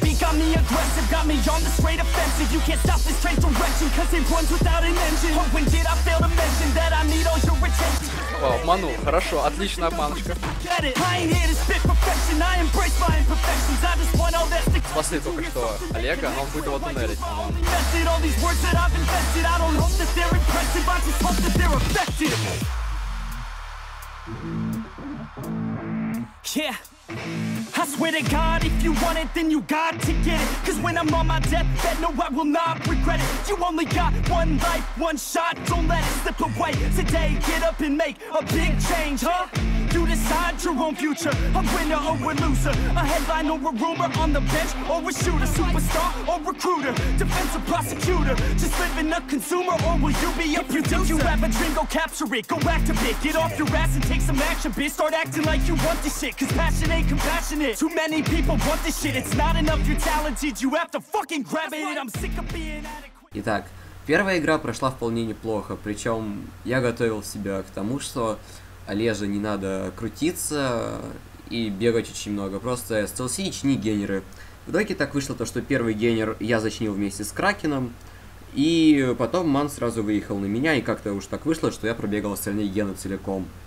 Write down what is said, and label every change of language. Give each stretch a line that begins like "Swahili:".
English: You can't stop this train direction, cause it runs without an engine. But when did I fail to mention that I need all your attention?
Russian: Oh, Manu, хорошо, отличная обманочка.
English: I ain't here to spit perfection, I embrace my imperfections. I just want all that to come.
Russian: Спасли только что Олега, но он будет его туннелить.
English: All these words that I've invested, I don't hope that they're impressive, I just hope that they're effective. Yeah. I swear to God, if you want it, then you got to get it. Cause when I'm on my deathbed, no, I will not regret it. You only got one life, one shot, don't let it slip away. Today, get up and make a big change, huh? You decide your own future, a winner or a loser. A headline or a rumor on the bench or a shooter. Superstar or recruiter, defense or prosecutor. Just living a consumer or will you be a if producer? If you have a dream, go capture it, go activate. Get off your ass and take some action, bitch. Start acting like you want this shit. Cause passion ain't compassionate. Too many people want this shit. It's not enough, you're talented. You have to fucking grab it. I'm sick of being adequate.
Russian: Итак, первая игра прошла вполне неплохо. Причем я готовил себя к тому, что... Олеже не надо крутиться и бегать очень много, просто стелси и чини генеры. В итоге так вышло то, что первый генер я зачинил вместе с Кракеном, и потом ман сразу выехал на меня, и как-то уж так вышло, что я пробегал остальные гены целиком.